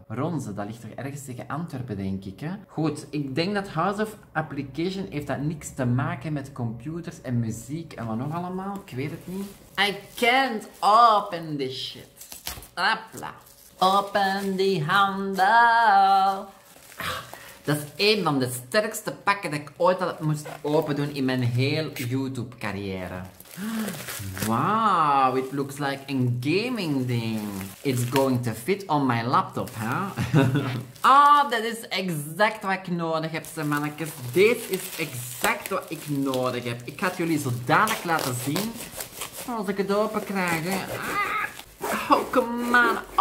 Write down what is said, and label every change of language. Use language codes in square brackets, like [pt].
[nl] Ronze, dat ligt toch ergens tegen Antwerpen, denk ik. Hè? Goed, ik denk dat House of Application heeft dat niks te maken met computers en muziek en wat nog allemaal. Ik weet het niet. [en] I can't open this shit. [nl] Hopla. Open die handel. Dat is een van de sterkste pakken dat ik ooit had moest open doen in mijn hele YouTube-carrière. [en] Wow, it looks like a gaming thing. It's going to fit on my laptop, hè? Huh? [nl] Oh, dat is exact wat ik nodig heb, ze mannetjes. Dit is exact wat ik nodig heb. Ik ga het jullie zo dadelijk laten zien als ik het open krijg. Hè. Ah. [en] Oh, come on.